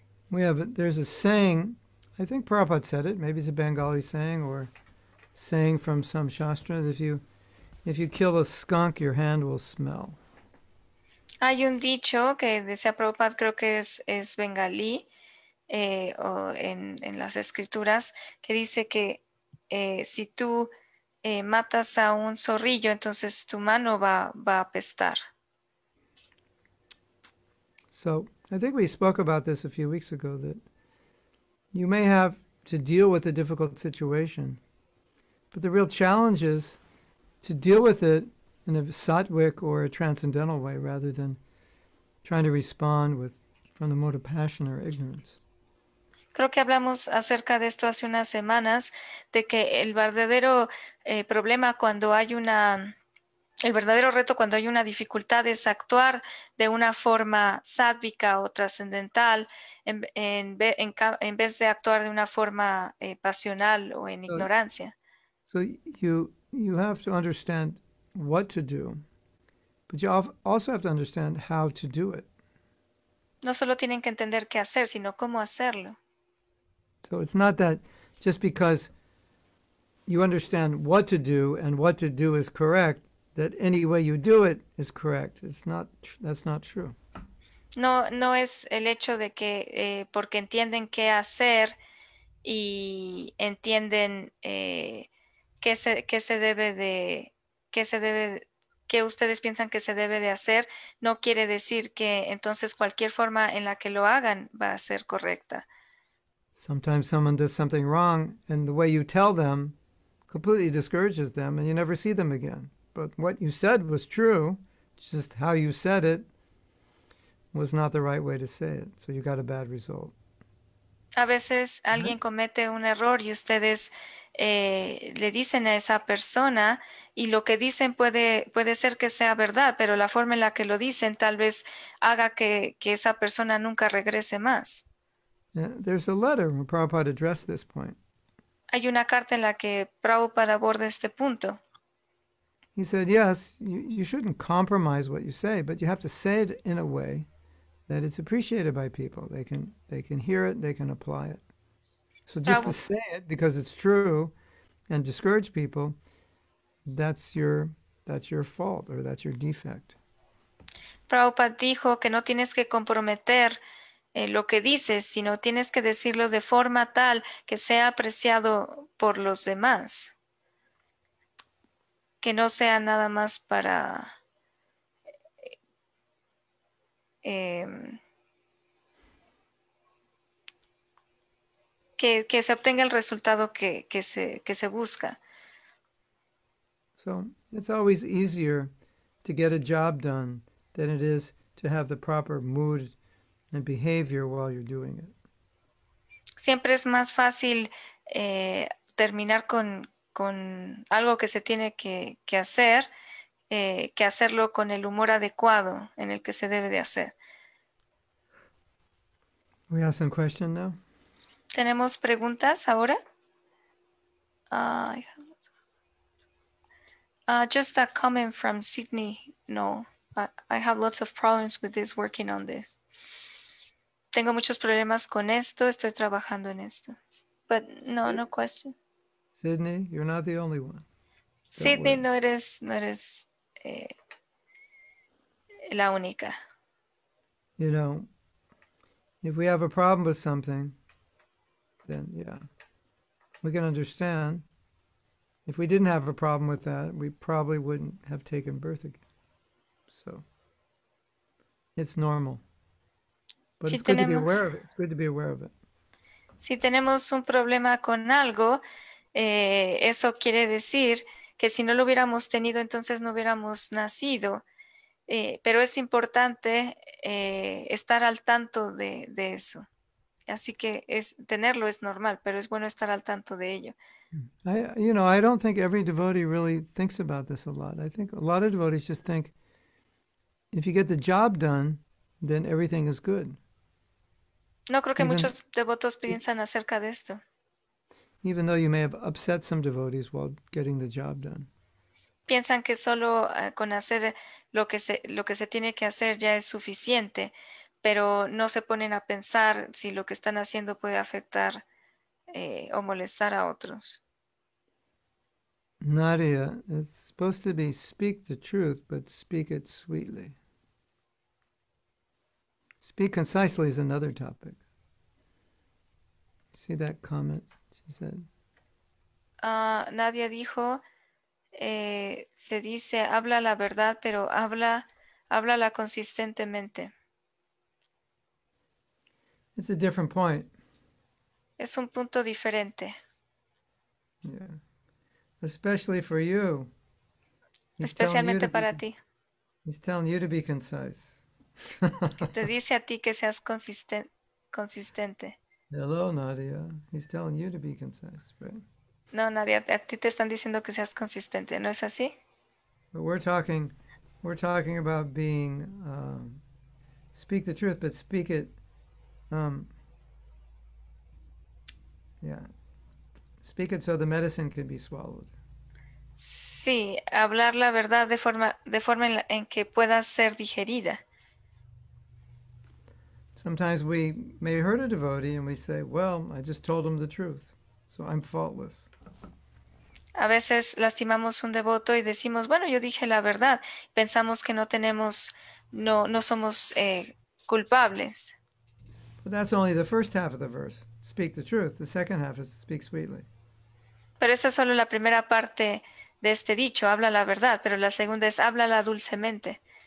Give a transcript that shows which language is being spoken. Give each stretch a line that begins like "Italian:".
English: There's a saying, I think Prabhupada said it, maybe it's a Bengali saying or saying from some shastra, that if you kill a skunk, your hand will smell.
Spanish: Hay un dicho que decía Prabhupada, creo que es bengalí o en las escrituras, que dice que si tú matas a un zorrillo, entonces tu mano va a apestar.
English: So, I think we spoke about this a few weeks ago, that you may have to deal with a difficult situation, but the real challenge is to deal with it in a sattvic or a transcendental way rather than trying to respond from the mode of passion or ignorance.
Spanish: Creo que hablamos acerca de esto hace unas semanas, de que el verdadero reto cuando hay una dificultad es actuar de una forma sádvica o trascendental en vez de actuar de una forma pasional o en ignorancia.
English: So you have to understand what to do, but you also have to understand how to do it.
Spanish: No solo tienen que entender qué hacer, sino cómo hacerlo.
English: So it's not that just because you understand what to do and what to do is correct, that any way you do it is correct. That's not true.
Spanish: No es el hecho de que porque entienden qué hacer y entienden qué ustedes piensan que se debe de hacer, no quiere decir que entonces cualquier forma en la que lo hagan va a ser correcta.
English: Sometimes someone does something wrong, and the way you tell them completely discourages them, and you never see them again. But what you said was true, just how you said it was not the right way to say it, so you got a bad result.
Spanish: A veces
English: Right?
Spanish: alguien comete un error y ustedes le dicen a esa persona y lo que dicen puede ser que sea verdad, pero la forma en la que lo dicen tal vez haga que esa persona nunca regrese más.
English: There's a letter where Prabhupada addressed this point.
Spanish: Hay una carta en la que Prabhupada aborda este punto.
English: He said, yes, you shouldn't compromise what you say, but you have to say it in a way that it's appreciated by people. They can hear it, they can apply it. So just to say it because it's true and discourage people, that's your fault or that's your defect.
Spanish: Prabhupada dijo que no tienes que comprometer lo que dices, sino tienes que decirlo de forma tal que sea apreciado por los demás, que no sea nada más para que se obtenga el resultado que se busca.
English: So it's always easier to get a job done than it is to have the proper mood and behavior while you're doing it.
Spanish: Siempre es más fácil terminar con algo que se tiene que hacer que hacerlo con el humor adecuado en el que se debe de hacer.
English: We have some question now.
Spanish: ¿Tenemos preguntas ahora?
English: Just a comment from Sydney. No, I have lots of problems with this, working on this.
Spanish: Tengo muchos problemas con esto, estoy trabajando en esto.
English: But no, no question. Sydney, you're not the only one. Don't Sydney, worry.
Spanish: no eres la única.
English: You know, if we have a problem with something, then yeah, we can understand. If we didn't have a problem with that, we probably wouldn't have taken birth again. So it's normal. But
Spanish: si
English: it's good
Spanish: tenemos,
English: to be aware of it. It's good to be aware of it.
Spanish: Si tenemos un problema con algo, eso quiere decir que si no lo hubiéramos tenido, entonces no hubiéramos nacido. Pero es importante estar al tanto de eso. Así que es tenerlo es normal, pero es bueno estar al tanto de ello.
English: I don't think every devotee really thinks about this a lot. I think a lot of devotees just think, if you get the job done, then everything is good.
Spanish: No creo que muchos devotos piensan acerca de esto.
English: Even though you may have upset some devotees while getting the job done.
Spanish: Piensan que solo con hacer lo que se tiene que hacer ya es suficiente, pero no se ponen a pensar si lo que están haciendo puede afectar o molestar a otros.
English: Nadia, it's supposed to be speak the truth, but speak it sweetly. Speak concisely is another topic. See that comment, she said.
Spanish: Nadia dijo, se dice, habla la verdad, pero háblala consistentemente.
English: It's a different point.
Spanish: Es un punto diferente.
English: Yeah. Especially for you.
Spanish: He's Especialmente you para ti.
English: He's telling you to be concise.
Spanish: Te dice a ti que seas consistente.
English: Hello, Nadia. He's telling you to be concise, right?
Spanish: No, Nadia, a ti te están diciendo que seas consistente, ¿no es así?
English: But we're talking about being, speak the truth, but speak it, speak it so the medicine can be swallowed.
Spanish: Sí, hablar la verdad de forma en que pueda ser digerida.
English: Sometimes we may hurt a devotee and we say, well, I just told him the truth, so I'm faultless.
Spanish: A veces lastimamos un devoto y decimos, bueno, yo dije la verdad. Pensamos que no somos culpables.
English: But that's only the first half of the verse. Speak the truth. The second half is speak sweetly.
Spanish: Pero esa es solo la primera parte de este dicho, habla la verdad, pero la segunda es háblala dulcemente.